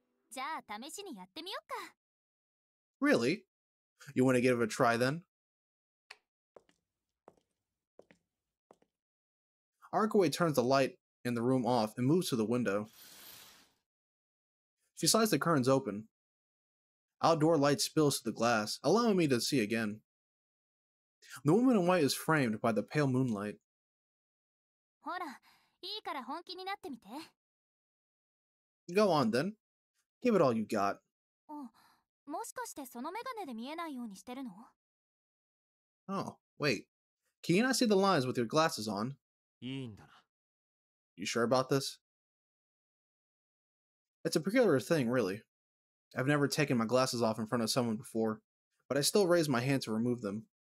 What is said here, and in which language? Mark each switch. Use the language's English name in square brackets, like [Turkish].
[Japanese] じゃあ試しにやってみようか. [English] Really? You want to give it a try then? Arakawa turns the light in the room off and moves to the window. She slides the curtains open. Outdoor light spills to the glass, allowing me to see again. The woman in white is framed by the pale moonlight. [Japanese] ほら、いいから本気になってみて。 [English] Go on then. Give it all you got. [Japanese] もしかしてその眼鏡で見えないようにしてるの? [English] Oh, wait. Can you not see the lines with your glasses on? [Japanese] いいんだな。 [English] You sure about this? It's a peculiar thing, really. I've never taken my glasses off in front of someone before, but I still raise my hand to remove them.